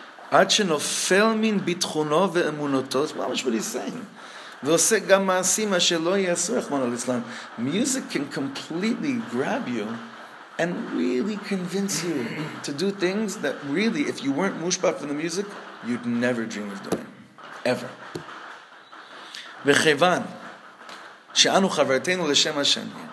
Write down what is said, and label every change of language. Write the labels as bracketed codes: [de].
[he] עד שנופל מן ביטחונו ואמונותו, [en] that's what he's saying. [he] ועושה גם מעשים אשר לא יעשו, רחמנא ליצלן. [en] Music can completely grab you and really convince you to do things that really, if you weren't mushpach from the music, you'd never dream of doing. Ever. [he] וכיוון שאנו חברתנו לשם השם.